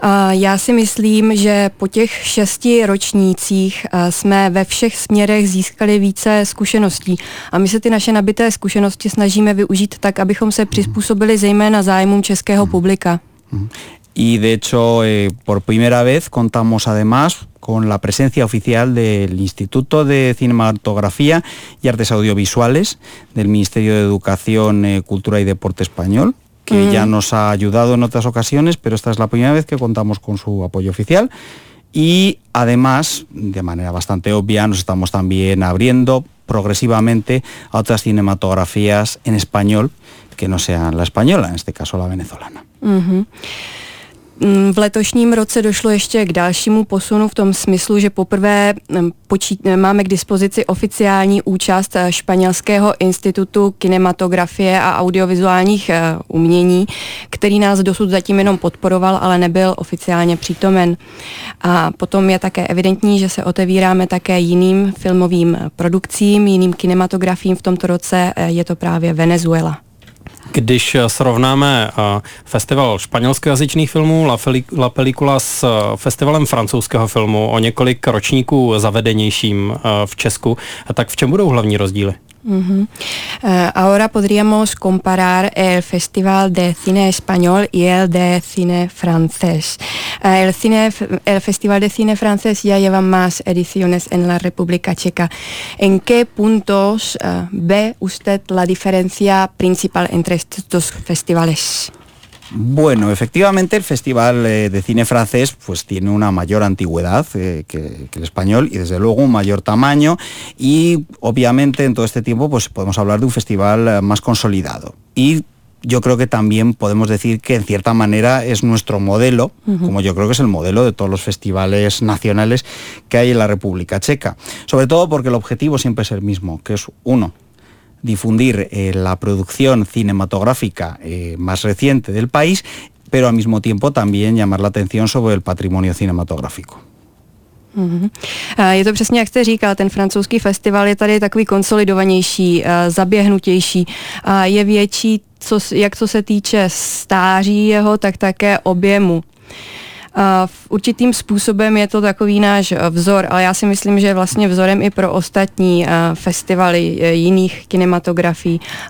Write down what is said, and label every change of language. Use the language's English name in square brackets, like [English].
[Czech] Já si myslím, že po těch šesti ročnících jsme ve všech směrech získali více zkušeností a my se ty naše nabité zkušenosti snažíme využít tak, abychom se přizpůsobili zejména zájmům českého publika. [Spanish] Y de hecho, por primera vez contamos además con la presencia oficial del Instituto de Cinematografía y Artes Audiovisuales del Ministerio de Educación, Cultura y Deporte Español. Que ya nos ha ayudado en otras ocasiones, pero esta es la primera vez que contamos con su apoyo oficial. Y además, de manera bastante obvia, nos estamos también abriendo progresivamente a otras cinematografías en español, que no sean la española, en este caso la venezolana. [Czech] V letošním roce došlo ještě k dalšímu posunu v tom smyslu, že poprvé máme k dispozici oficiální účast Španělského institutu kinematografie a audiovizuálních umění, který nás dosud zatím jenom podporoval, ale nebyl oficiálně přítomen. A potom je také evidentní, že se otevíráme také jiným filmovým produkcím, jiným kinematografiím v tomto roce, je to právě Venezuela. Když srovnáme festival španělskojazyčných filmů La Pelicula s festivalem francouzského filmu o několik ročníků zavedenějším v Česku, tak v čem budou hlavní rozdíly? [Spanish] Ahora podríamos comparar el festival de cine español y el de cine francés. El festival de cine francés ya lleva más ediciones en la República Checa. ¿En qué puntos ve usted la diferencia principal entre estos dos festivales? Bueno, efectivamente el festival de cine francés pues tiene una mayor antigüedad que el español y desde luego un mayor tamaño y obviamente en todo este tiempo pues podemos hablar de un festival más consolidado y yo creo que también podemos decir que en cierta manera es nuestro modelo, como yo creo que es el modelo de todos los festivales nacionales que hay en la República Checa, sobre todo porque el objetivo siempre es el mismo, que es uno. Difundir la producción cinematográfica más reciente del país, pero al mismo tiempo también llamar la atención sobre el patrimonio cinematográfico. [Czech] Je to přesně, jak jste říkal, ten francouzský festival je tady takový konsolidovanější, zaběhnutější. Je větší, co se týče stáří jeho, tak také objemu. Určitým způsobem je to takový náš vzor, ale já si myslím, že je vlastně vzorem i pro ostatní festivaly jiných kinematografií.